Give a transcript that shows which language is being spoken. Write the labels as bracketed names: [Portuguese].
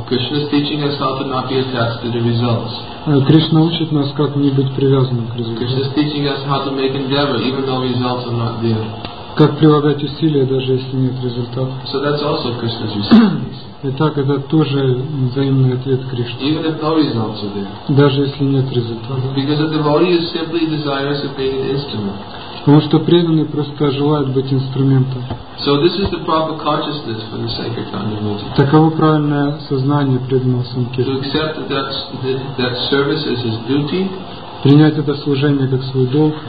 [English] Krishna's teaching us how to not be attached to the results. [Russian] Кришна учит нас, как не быть привязанным к результатам. [English] Krishna's teaching us how to make endeavor, even though results are not there. [Russian] Как прилагать усилия, даже если нет результата. [English] So that's also Krishna's reciprocation. [Russian] Итак, это тоже взаимный ответ Кришны. [English] Even if no results are there. [Russian] Даже если нет результата. [English] Because the devotee is simply desirous of being an instrument. [Russian] Потому что преданный просто желает быть инструментом. [English] So this is the proper consciousness for the sankirtan devotee. [Russian] Таково правильное сознание преданного санкиртана. [English] To accept that service as his duty. [Russian] Принять это служение как свой долг.